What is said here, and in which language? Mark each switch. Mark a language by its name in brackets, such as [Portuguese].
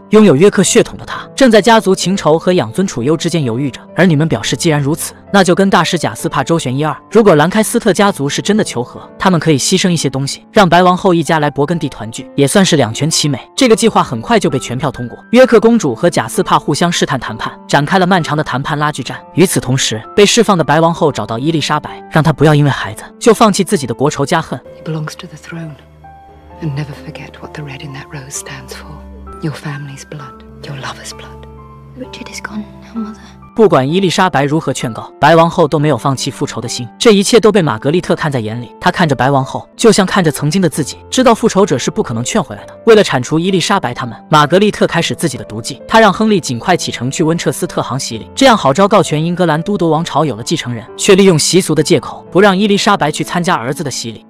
[Chinese] 拥有约克血统的他，正在家族情仇和养尊处优之间犹豫着，而你们表示既然如此，那就跟大师贾斯帕周旋一二，如果兰开斯特家族是真的求和，他们可以牺牲一些东西，让白王后一家来勃艮第团聚，也算是两全其美。这个计划很快就被全票通过，约克公主和贾斯帕互相试探谈判，展开了漫长的谈判拉锯战。与此同时，被释放的白王后找到伊丽莎白，让她不要因为孩子就放弃自己的国仇家恨。 [English] He belongs to the throne, and never forget what the red in that rose stands for. Your family's blood, your lover's blood. Richard is gone now, mother. [Chinese] 不管伊丽莎白如何劝告，白王后都没有放弃复仇的心，这一切都被玛格丽特看在眼里，她看着白王后就像看着曾经的自己，知道复仇者是不可能劝回来的。为了铲除伊丽莎白他们，玛格丽特开始自己的毒计，她让亨利尽快启程去温彻斯特航洗礼，这样好昭告全英格兰都铎王朝有了继承人，却利用习俗的借口不让伊丽莎白去参加儿子的洗礼。